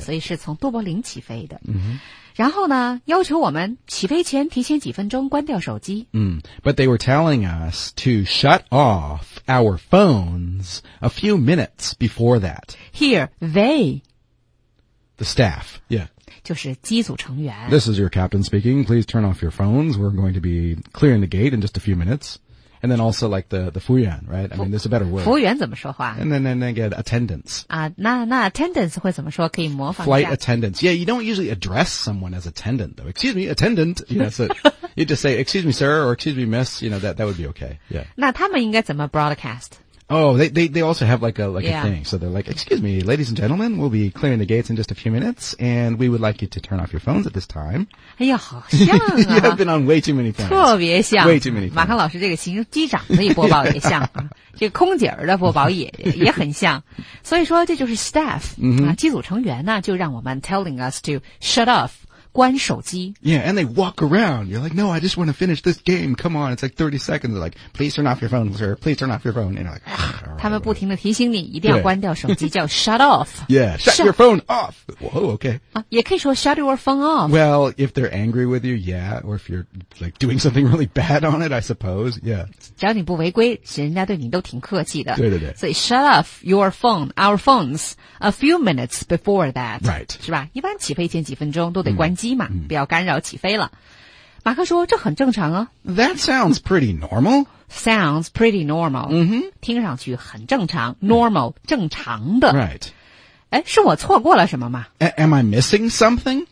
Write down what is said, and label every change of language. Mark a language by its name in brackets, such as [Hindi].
[Chinese] 所以是从多柏林起飞的。 Mm-hmm. 然后呢要求我们起飞前提前几分钟关掉手机。 Mm. [English] But they were telling us to shut off our phones a few minutes before that. Here, they. The staff. Yeah. [Chinese] 就是机组成员。 [English] This is your captain speaking. Please turn off your phones. We're going to be clearing the gate in just a few minutes. And then also like the 服务员, right? I mean, there's a better word. [Chinese] 服务员怎么说话? [English] And then get attendants. [Chinese] 啊、那 attendants 会怎么说?可以模仿一下。 [English] Flight attendants. Yeah, you don't usually address someone as attendant, though. Excuse me, attendant. You know, so you just say, excuse me, sir, or excuse me, miss. You know, that would be okay. Yeah. [Chinese] 那他们应该怎么 broadcast? [English] Oh, they also have like a thing. So they're like, excuse me, ladies and gentlemen, we'll be clearing the gates in just a few minutes, and we would like you to turn off your phones at this time. [Chinese] 哎呀，好像啊。 [English] You have been on way too many phones. [Chinese] 特别像。 [English] Way too many phones. [Chinese] 马康老师这个形容机长的播报也像。 yeah. 这个空姐的播报也很像。所以说这就是 staff,、 mm-hmm. 机组成员呢就让我们 [English] telling us to shut off. [Chinese] 关手机。 [English] Yeah, and they walk around. You're like, no, I just want to finish this game. Come on, it's like 30 seconds. They're like, please turn off your phone, sir. Please turn off your phone. And you're like, ah. [Chinese] 他们不停地提醒你一定要关掉手机叫 shut off. [English] Yeah, shut your phone off. Whoa, okay.、 [Chinese] 也可以说 shut your phone off. [English] Well, if they're angry with you, yeah. Or if you're like doing something really bad on it, I suppose. Yeah. [Chinese] 只要你不违规人家对你都挺客气的。对对对。 [English] 所以 shut off your phone, our phones, a few minutes before that. Right. [Chinese] 是吧一般起飞前几分钟都得关机。机嘛，不要干扰起飞了。马克说：“这很正常啊。” [English] That sounds pretty normal. Sounds pretty normal. 嗯哼， [Chinese] 听上去很正常。Normal，、mm. 正常的。 [English] Right. [Chinese] 哎，是我错过了什么吗 [English] ？Am I missing something？